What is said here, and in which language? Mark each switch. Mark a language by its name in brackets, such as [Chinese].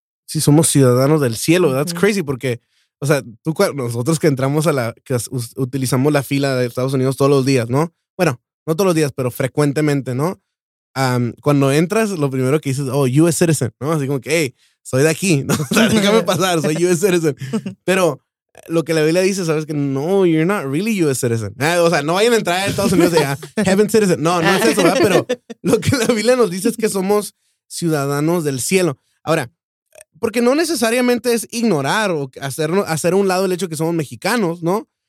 [Spanish] Sí, somos ciudadanos del cielo. Uh-huh. [English] That's crazy, [Spanish] porque o sea, tú, nosotros que entramos a la, que utilizamos la fila de Estados Unidos todos los días, ¿no? Bueno, no todos los días, pero frecuentemente, ¿no? Cuando entras, lo primero que dices, oh, US citizen, ¿no? Así como que, hey, soy de aquí, ¿no? O sea, déjame pasar, soy US citizen. Pero lo que la Biblia dice, ¿sabes? Que no, [English] you're not really US citizen. [Spanish] O sea, no vayan a entrar a Estados Unidos y ya, heaven citizen. No, no es eso, ¿verdad? Pero lo que la Biblia nos dice es que somos ciudadanos del cielo. Ahora, porque no necesariamente es ignorar o hacer un lado el hecho de que somos mexicanos, ¿no?